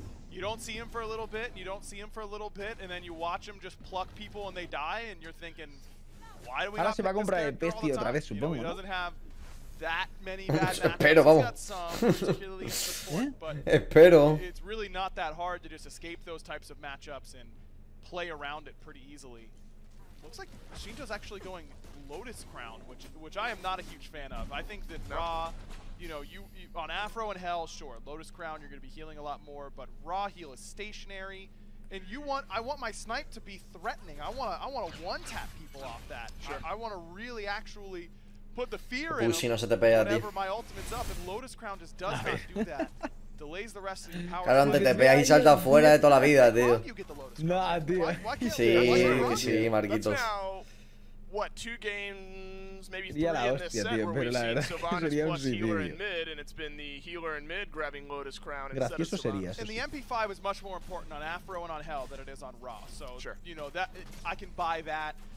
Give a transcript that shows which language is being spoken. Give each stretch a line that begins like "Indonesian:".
English: You don't see him for a little bit, and you don't see him for a little bit, and then you watch him just pluck people and they die, and you're thinking, why do we not pick this character all the time?
Spanish: Ahora se va a comprar el Pesti otra vez, supongo, ¿no?
English: that many bad matchups.
Spanish: Espero, vamos.
English: He's got some, particularly in support, but
Spanish: espero.
English: It's really not that hard to just escape those types of matchups and play around it pretty easily. Looks like Shinto's actually going Lotus Crown, which I am not a huge fan of. I think that Raw, you know, you on Afro and Hell, sure, Lotus Crown, you're going to be healing a lot more, but Raw heal is stationary. And I want my snipe to be threatening. I want to one tap people off that. Sure. I want to really actually put the fear in them.
Spanish: No se te pega,
English: whenever
Spanish: tío.
English: My ultimate's up, and Lotus Crown just does not do that. Delays the rest of your power.
Spanish: Claro, te pega y salta fuera de toda la vida, tío. Nah, tío. Sí, Marquitos.
English: What, two games, maybe three in this set where we've seen Sivana's plus healer in mid, and it's been the healer in mid grabbing Lotus Crown instead of Sivana's. And the MP5 is much more important on Afro and on Hell than it is on Raw. So, sure. You know, that I can buy that.